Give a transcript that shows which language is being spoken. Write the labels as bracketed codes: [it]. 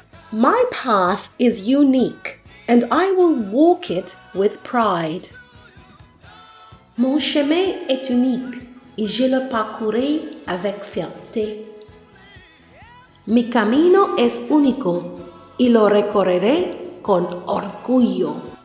[en] My path is unique, and I will walk it with pride. [fr] Mon chemin est unique et je le parcourrai avec fierté. [es] Mi camino es único y lo recorreré con orgullo.